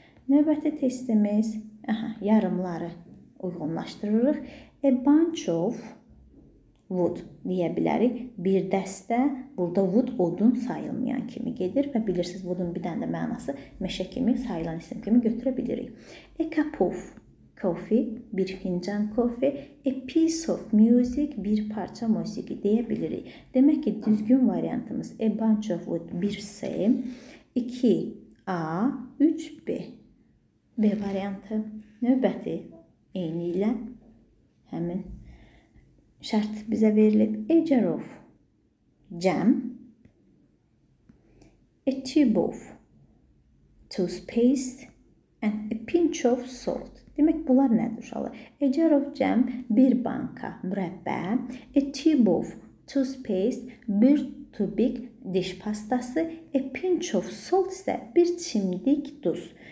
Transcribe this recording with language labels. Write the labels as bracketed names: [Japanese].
[Azerbaijani] Növbəti testimiz, aha, yarımları uyğunlaşdırırıq. [English] A bunch of, [Azerbaijani] Wood deyə bilərik. Bir dəstə, burada wood odun sayılmayan kimi gedir və bilirsiniz, woodun bir dənə də mənası meşə kimi, sayılan isim kimi götürə bilirik. [English] A cup of coffee, [Azerbaijani] bir fincan kofi, [English] a piece of music, [Azerbaijani] bir parça musiqi deyə bilirik. Demək ki, düzgün variantımız [English] a bunch of wood, [Azerbaijani] bir S, 2 A, 3 B. B variantı növbəti eyni ilə həmin şərt bizə verilib. [English] A jar of jam, a tube of toothpaste and a pinch of salt. [Azerbaijani] Demək, bunlar nədir uşaqlar? [English] A jar of jam, [Azerbaijani] bir banka mürəbbə, [English] a tube of toothpaste, [Azerbaijani] bir tubik diş pastası, [English] a pinch of salt [Azerbaijani] isə bir çimdik duz.